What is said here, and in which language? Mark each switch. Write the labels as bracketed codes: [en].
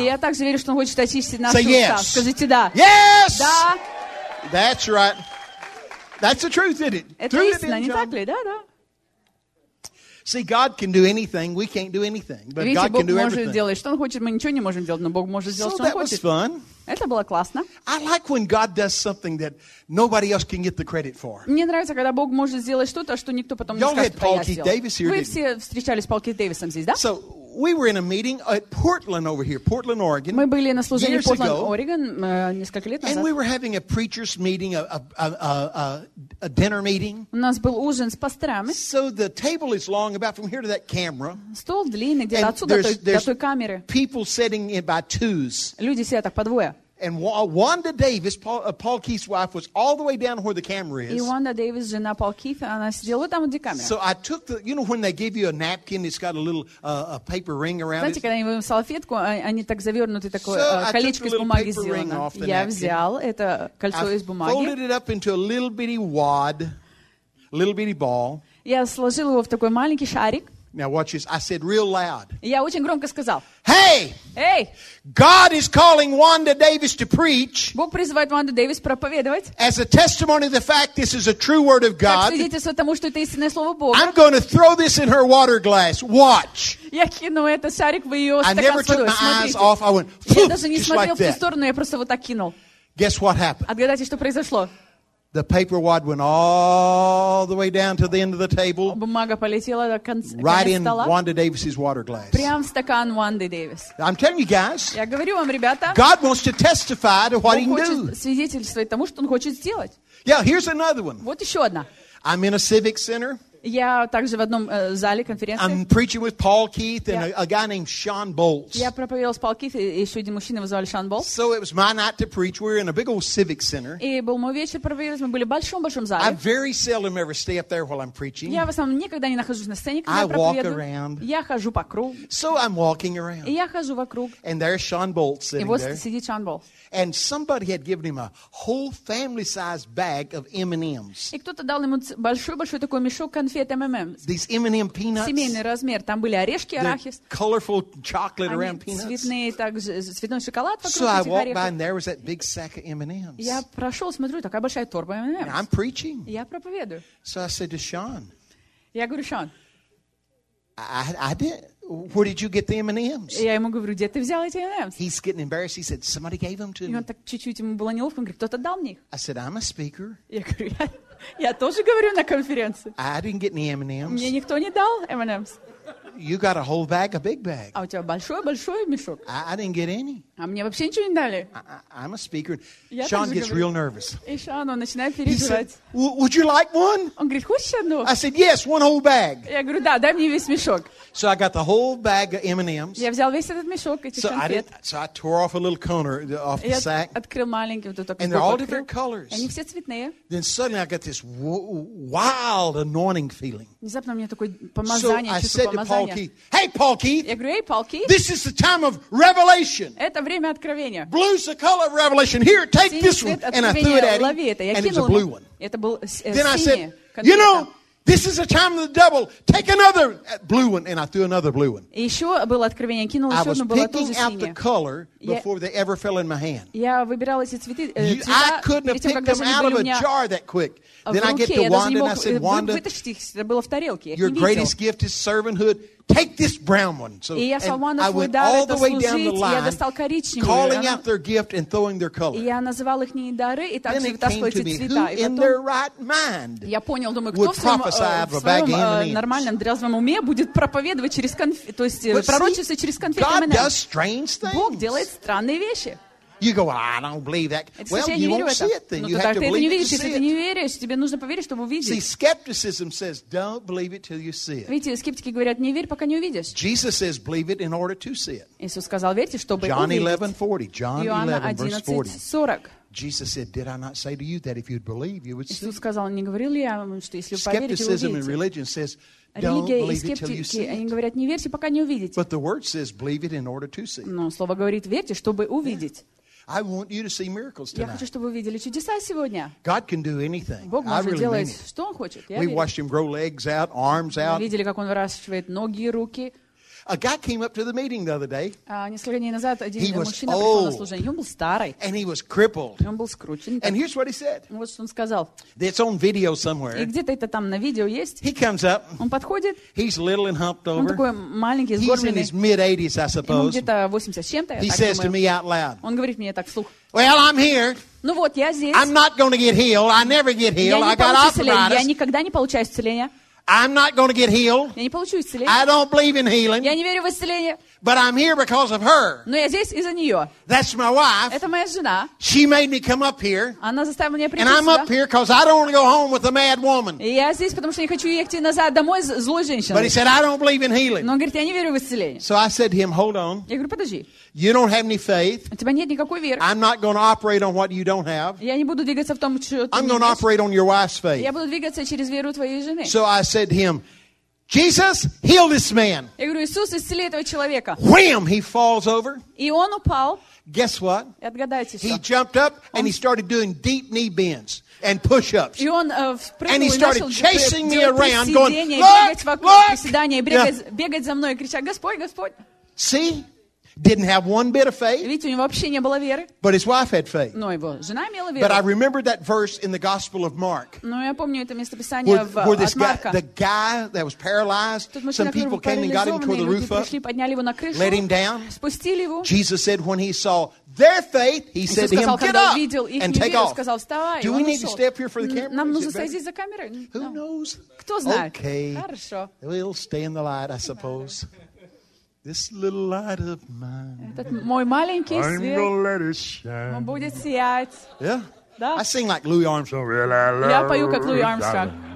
[ru] И я также верю, что Он хочет очистить наши уста. Скажите да. [en] Yes. [ru] Да. [en] That's right. That's the truth, isn't it? [ru] Это истина, не так ли? Да, да. [en] See, God can do anything. We can't do anything, but [ru] видите, [en] God can do everything. [ru] Видите, Бог может делать, что Он хочет. Мы ничего не можем делать, но Бог может сделать, [en] so [ru] что Он хочет. [en] So that was fun. [ru] Это было классно. [en] I like when God does something that nobody else can get the credit for. [ru] Мне нравится, когда Бог может сделать что-то, что никто потом не скажет, что я сделал. Вы все встречались с Пол Кит Дэвисом здесь, да? [en] So we were in a meeting at Portland over here, Portland, Oregon. [ru] Мы были на служении в Портленд, Орегон, несколько лет назад. [en] And we were having a preacher's meeting, a dinner meeting. [ru] У нас был ужин с пасторами. [en] So the table is long, about from here to that camera. [ru] Стол длинный, где-то отсюда до той камеры. [en] People sitting in by twos. [ru] Люди сидят так по двое. [en] And Wanda Davis, Paul Keith's wife, was all the way down where the camera is. [ru] И Wanda Davis, жена Paul Keith, она сидела вот там, где камера. [en] So I took the, you know, when they give you a napkin, it's got a little a paper ring around [ru] знаете, [en] it. [ru] Знаете, когда они выдают салфетку, они так завернуты, такое [en] so [ru] колечко из бумаги сделано. [en] Off the [ru] я [en] napkin. [ru] Взял это кольцо [en] I [ru] из бумаги. [en] Folded it up into a little bitty wad, little bitty ball. [ru] Я сложил его в такой маленький шарик. [en] Now watch this. I said real loud. [ru] Я очень громко сказал. [en] Hey! Hey! God is calling Wanda Davis to preach. [ru] Бог призывает Ванду Дэвис проповедовать. [en] As a testimony of the fact this is a true word of God. [ru] Как свидетельство тому, что это истинное слово Бога. [en] I'm going to throw this in her water glass. Watch. [ru] Я кину это шарик в её стакан. [en] I never took my eyes off. I went. [ru] Я даже не смотрел в ту сторону, я просто вот так кинул. [en] Guess what happened? [ru] Отгадайте, что произошло. [en] The paper wad went all the way down to the end of the table. [ru] Бумага полетела до конца стола. [en] Right in Wanda Davis's water glass. [ru] Прямо в стакан Ванды Дэвис. [en] I'm telling you guys. [ru] Я говорю вам, ребята. [en] God wants to testify to what He can do. [ru] Он хочет свидетельствовать тому, что Он хочет сделать. [en] Yeah, here's another one. [ru] Вот еще одна. [en] I'm in a civic center. [ru] Я также в одном зале конференции. [en] I'm preaching with Paul Keith and a guy named Sean Bolts. [ru] Я проповедовал с Пол Кит и еще один мужчина, его звали Шон Болтс. [en] So it was my night to preach. We're in a big old civic center. [ru] И был мой вечер проповедовать. Мы были в большом зале. [en] I very seldom ever stay up there while I'm preaching. [ru] Я в основном никогда не нахожусь на сцене, когда [en] I walk around. [ru] Я хожу по кругу. [en] So I'm walking around. [ru] И я хожу вокруг. [en] And there's Sean Bolts sitting there. [ru] И вот сидит Шон Болтс. [en] And somebody had given him a whole family-sized bag of M&Ms. [ru] И кто-то дал ему большой такой мешок. [en] These M&M peanuts. [ru] Семейный размер. Там были орешки, арахис. [en] Colorful chocolate around peanuts. [ru] Цветные, также цветной шоколад вокруг этих орехов. [en] So I walked by and there was that big sack of M&Ms. [ru] Я прошел, смотрю, такая большая торба M&Ms. [en] I'm preaching. [ru] Я проповедую. [en] So I said to Sean. [ru] Я говорю, Sean. [en] I did. Where did you get the M&Ms? [ru] Я ему говорю, где ты взял эти M&Ms? [en] He's getting embarrassed. He said, somebody gave them to me. [ru] И он так чуть-чуть ему было неловко. Он говорит, кто-то дал мне их. [en] I said, I'm a speaker. [ru] Я говорю, я тоже говорю на конференции. [en] I didn't get any M&Ms. [ru] Мне никто не дал M&Ms. [en] You got a whole bag, a big bag. [ru] А у тебя большой мешок. [en] I didn't get any. [ru] А мне вообще ничего не дали. [en] I'm a speaker. Sean gets real nervous. [ru] И Шон, он начинает переживать. [en] He said, would you like one? [ru] Он говорит, хочешь одну? [en] I said, yes, one whole bag. [ru] Я говорю, да, дай мне весь мешок. [en] So I got the whole bag of M&Ms. [ru] Я взял весь этот мешок, этих конфет. [en] So I tore off a little corner off the sack. [ru] Открыл маленький вот такой. [en] And they're all different colors. [ru] Они все цветные. [en] Then suddenly I got this wild anointing feeling. [ru] Внезапно у меня такое помазание, чувство помазания. Paul Keith. Hey, Paul Keith. Я говорю, эй, Paul Keith. [en] This is the time of revelation. [ru] Это время откровения. [en] Blue's the color of revelation. Here, take this one. And I threw it at him. And it's a blue one. [ru] Это был синий. [en] Then I said, you know, this is the time of the double. Take another blue one. And I threw another blue one. [ru] Еще было откровение. Кинул еще одно, было тоже синее. [en] I was picking out the color before they ever fell in my hand. [ru] Я выбирал эти цветы. [en] I couldn't have picked them out of a jar that quick. Then I get to Wanda and I said, Wanda, [ru] это было в тарелке. [en] Your greatest gift is servanthood. Take this brown one. So, and I went all the way down the line, calling out their gift and throwing their color. [ru] Я называл их не дары, и так же вытаскивал эти цвета. [en] Who in their right mind would prophesy of a bag of M&Ms? [ru] Нормальном здравом уме будет проповедовать через то есть пророчество через конфеты M&Ms. [en] God does strange things. [ru] Бог делает странные вещи. [en] You go, I don't believe that. [ru] Это [en] well, you won't see it then. [ru] Ну, [en] you have to believe [ru] видишь, [en] it to see [ru] it. Не веришь, тебе нужно поверить, чтобы увидеть. [en] See, skepticism says, don't believe it till you see it. [ru] Видите, скептики говорят, не верь, пока не увидишь. [en] Jesus says, believe it in order to see it. [ru] Иисус сказал, верьте, чтобы увидеть. [en] John 11:40. John 11:40. Jesus said, did I not say to you that if you'd believe, you would see? [ru] Иисус сказал, не говорил ли я вам, что если вы вы увидите? Skepticism [en] and religion says, [ru] они говорят, не верьте, пока не увидите. [en] But the word says, believe it in order to see. [ru] Но слово говорит, верьте, чтобы увидеть. [en] I want you to see miracles tonight. [ru] Я хочу, чтобы вы видели чудеса сегодня. [en] God can do anything. [ru] Бог может [en] I really [ru] делать, [en] mean it. [ru] Что Он хочет. [en] We watched Him grow legs out, arms out. [ru] Мы видели, как Он выращивает ноги и руки. [en] A guy came up to the meeting the other day. [ru] Несколько дней назад один мужчина пришел на служение. Он был старый. [en] And he was crippled. [ru] Он был скручен. [en] And here's what he said. [ru] Вот что он сказал. [en] It's on video somewhere. [ru] И где-то это там на видео есть. [en] He comes up. [ru] Он подходит. [en] He's little and humped over. [ru] Он такой маленький, сгорбленный. [en] He's in his mid-80s, I suppose. [ru] Ему где-то 80 с чем-то. [en] He says to me out loud. [ru] Он говорит мне так вслух. [en] Well, I'm here. [ru] Ну вот я здесь. [en] I'm not going to get healed. I never get healed. I got arthritis. [ru] Я никогда не получаю исцеления. [en] I'm not going to get healed. [ru] Я не получу исцеление. [en] I don't believe in healing. [ru] Я не верю в исцеление. [en] But I'm here because of her. [ru] Но я здесь из-за нее. [en] That's my wife. [ru] Это моя жена. [en] She made me come up here. [ru] Она заставила меня прийти сюда. [en] And I'm up here because I don't want to go home with a mad woman. [ru] И я здесь, потому что не хочу ехать назад домой с злой женщиной. [en] But he said, I don't believe in healing. [ru] Но он говорит, я не верю в исцеление. [en] So I said to him, hold on. [ru] Я говорю, подожди. [en] You don't have any faith. [ru] У тебя нет никакой веры. [en] I'm not going to operate on what you don't have. [ru] Я не буду двигаться в том, что ты не [en] имеешь. I'm going to operate on your wife's faith. [ru] Я буду двигаться через веру твоей жены. [en] So I said to him, Jesus, heal this man. [ru] Я говорю, Иисус, исцели этого человека. [en] Wham! He falls over. [ru] И он упал. [en] Guess what? [ru] Отгадайте, что? [en] He jumped up and he started doing deep knee bends. and push-ups. And he started chasing me around, going, "Look, look!" See? Didn't have one bit of faith. [ru] Видите, у него вообще не было веры. [en] But his wife had faith. [ru] Но его жена имела веру. [en] But I remember that verse in the Gospel of Mark. [ru] Но я помню это местописание в Марка. [en] Where this guy, the guy that was paralyzed, some people came and got him, tore the roof up, [ru] подняли его на крышу, [en] let him down. [ru] Спустили его. [en] Jesus said when he saw their faith, he said to him, get up and take off. [ru] Сказал, вставай. [en] Do we need to stay up here for the camera? [ru] Нам нужно стоять здесь за камерой. [en] Who knows? [ru] Кто знает? [en] Okay. [ru] Хорошо. [en] We'll stay in the light, I suppose. This little light of mine. [ru] Этот мой маленький свет. [en] I'm gonna let it shine. [ru] Он будет сиять. [en] Yeah. [ru] Да. [en] I sing like Louis Armstrong. [ru] Я пою как Луи Армстронг.